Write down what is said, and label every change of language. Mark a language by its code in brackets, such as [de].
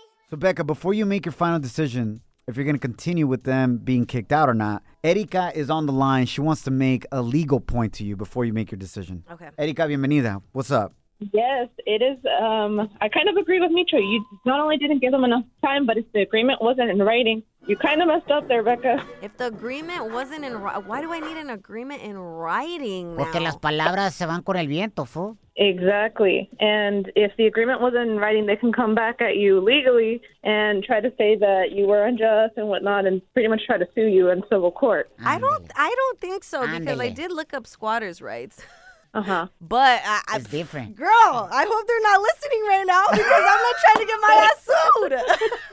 [en] So, Becca, before you make your final decision, if you're going to continue with them being kicked out or not, Erika is on the line. She wants to make a legal point to you before you make your decision. Okay. Erika, [es] bienvenida. [en] What's up? Yes, it is. I kind of agree with Mitra. You not only didn't give them enough time, but if the agreement wasn't in writing, you kind of messed up there, Becca. If the agreement wasn't in writing, why do I need an agreement in writing now? [es] Porque las palabras se van con el viento, fool. [en] Exactly. And if the agreement wasn't in writing, they can come back at you legally and try to say that you were unjust and whatnot and pretty much try to sue you in civil court. I don't think so, because I did look up squatters' rights. Uh-huh. But it's different. Girl, I hope they're not listening right now because I'm not trying to get my ass sued.